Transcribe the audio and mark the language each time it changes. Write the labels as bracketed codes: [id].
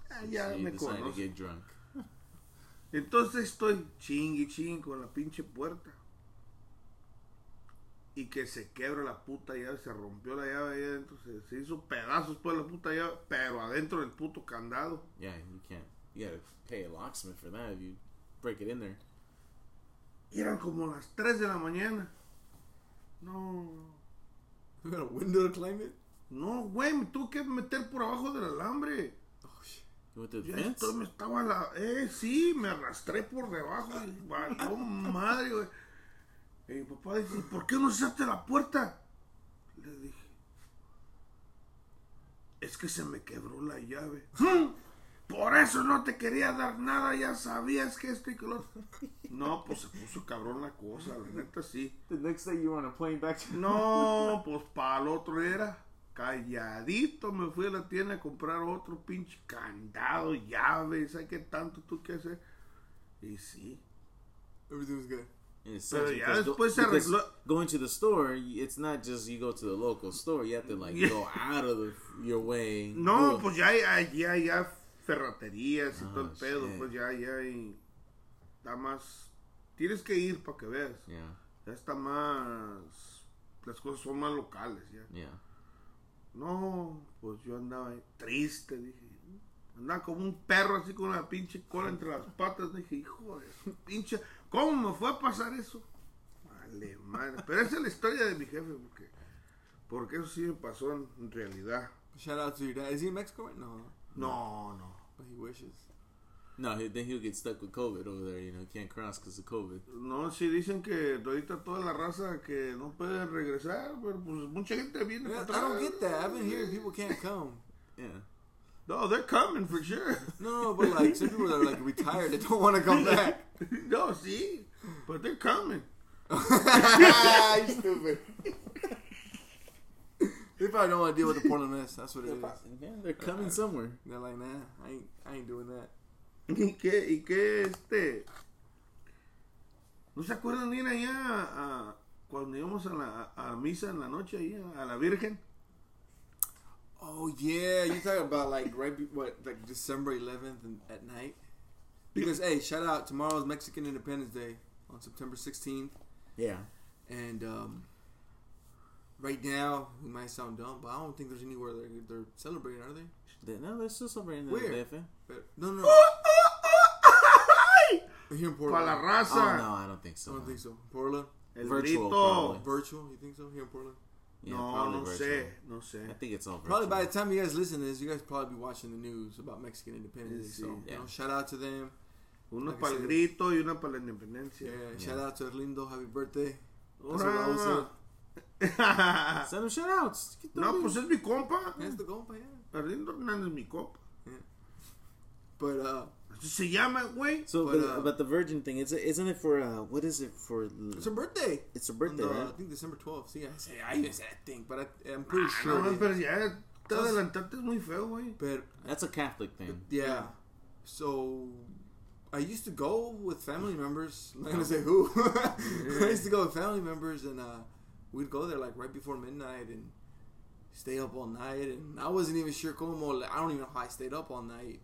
[es] Ya so me conozco. [en] To get drunk. [es] Entonces estoy chingui chingui con la pinche puerta. Y que se quebra la puta llave, se rompió la llave ahí adentro, se hizo pedazos pues la puta llave, pero adentro del puto candado. [en] Yeah, you can't. You gotta pay a locksmith for that if you break it in there. [es] Y eran como las 3 de la mañana. No. [en] ¿You got a window to climb it? [es] No, güey, me tuve que meter por abajo del alambre. [en] ¿Y with the vents? Esto [es] me estaba la... sí, me arrastré por debajo. ¡Oh, madre, güey! Y mi papá dice, ¿por qué no cerraste la puerta? Le dije, es que se me quebró la llave. Por eso no te quería dar nada, ya sabías que esto y que lo... No, pues se puso cabrón la cosa, la neta sí. [en] The next day you were on a plane back to... [es] No, pues para el otro era. Calladito me fui a la tienda a comprar otro pinche candado, llave, ¿sabes qué tanto tú qué hacer? Y sí. [en] Everything was good. [es] Pero ya después se arregló. [en] Going to the store, it's not just you go to the local store, you have to like go out of your way. [es] No, oh. Pues ya. Ferreterías y todo el pedo, shit. Pues ya, y está más, tienes que ir para que veas, [en] yeah. [es] Ya está más, las cosas son más locales, ya, [en] yeah. [es] No, pues yo andaba triste, dije, andaba como un perro así con la pinche cola entre las patas, dije, hijo de pinche, ¿cómo me fue a pasar eso? Vale, madre, pero esa es la historia de mi jefe, porque eso sí me pasó en realidad. [en] Shout out to your dad. Is he in Mexico right now? No. But he wishes. No, then he'll get stuck with COVID over there. You know, he can't cross because of COVID. [es] No, si dicen que ahorita toda la raza que no puede regresar, pero pues mucha gente viene para atrás. [en] I don't get that. I've been hearing people can't come. Yeah. No, they're coming for sure. No, but like some people that are like retired, they don't want to come back. No, sí. But they're coming. You stupid. They probably don't want to deal with the Portland mess. That's what it is. Yeah, they're coming somewhere. They're like, nah, I ain't doing that. [es] ¿Y qué este? ¿No se acuerdan ir allá cuando íbamos a misa en la noche ahí a la Virgen? [en] Oh, yeah. You're talking about like December 11th at night? Because, hey, shout out. Tomorrow's Mexican Independence Day on September 16th. Yeah. And, right now, we might sound dumb, but I don't think there's anywhere they're celebrating, are they? No, they're still celebrating the DF. No. Here in Portland. [es] Para la raza. [en] Oh, no, I don't think so. I don't think so. Portland? [es] El virtual. [en] Probably. Virtual, you think so? Here in Portland? [es] Yeah, no sé. [en] I think it's all probably virtual. By the time you guys listen to this, you guys will probably be watching the news about Mexican independence. Sí. So, shout out to them. [es] Uno like para el grito y una para la independencia. [en] Yeah. Shout out to Erlindo. Happy birthday. Hola. That's what I was send him shout outs. [es] No, pues es mi compa. Es tu compa, yeah. Arlindo Hernández, mi compa. [en] But, [es] se llama, güey. [en] So, but the virgin thing, isn't it for, what is it for? It's a birthday. It's a birthday, right? I think December 12th. See, I'm pretty sure. [es] No, pero ya, te adelantaste es muy feo, güey. [en] That's a Catholic thing. Yeah. So, I used to go with family members. I'm not going to say who. I used to go with family members and, we'd go there like right before midnight and stay up all night. And I wasn't even sure como, I don't even know how I stayed up all night.